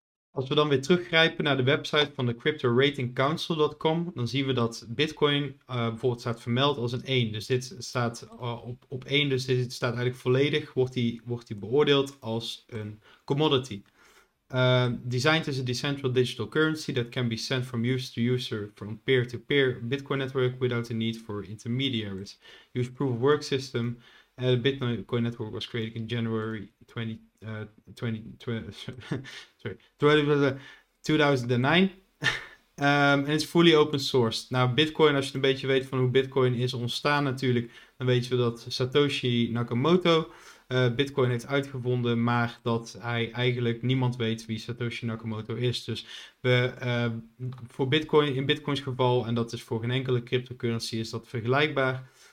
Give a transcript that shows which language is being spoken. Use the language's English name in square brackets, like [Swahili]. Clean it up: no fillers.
[Dutch] Als we dan weer teruggrijpen naar de website van de CryptoRatingCouncil.com, dan zien we dat Bitcoin bijvoorbeeld staat vermeld als een 1. Dus dit staat op 1, dus dit staat eigenlijk volledig, wordt die beoordeeld als een commodity. [English] Designed as a decentralized digital currency that can be sent from user to user from peer-to-peer Bitcoin network without the need for intermediaries. Use proof-of-work system. The Bitcoin network was created in January 2009. En it's fully open sourced. [Dutch] Nou, Bitcoin, als je een beetje weet van hoe Bitcoin is ontstaan natuurlijk, dan weten we dat Satoshi Nakamoto Bitcoin heeft uitgevonden, maar dat hij eigenlijk niemand weet wie Satoshi Nakamoto is. Dus in Bitcoins geval, en dat is voor geen enkele cryptocurrency, is dat vergelijkbaar.